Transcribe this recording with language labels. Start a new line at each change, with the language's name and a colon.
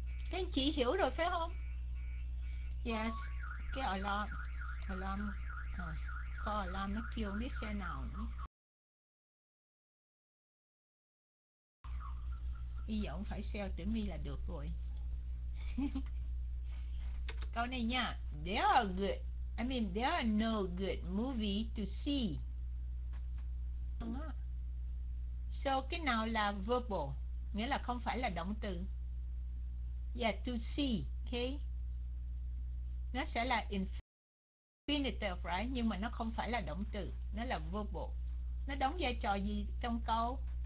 Vietnamese: Thế chị hiểu rồi phải không? Yes. Cái alarm, alarm, có alarm nó kêu biết xe nào nữa. Bây giờ không phải xe tiểu mi là được rồi. Câu này nha.
English: There are good, I mean there are no good movie to see.
Vietnamese: So cái nào là verbal, nghĩa là không phải là động từ.
English: Yeah, to see, okay.
Vietnamese: Nó sẽ là
English: infinitive, right?
Vietnamese: Nhưng mà nó không phải là động từ, nó là verbal. Nó đóng vai trò gì trong câu?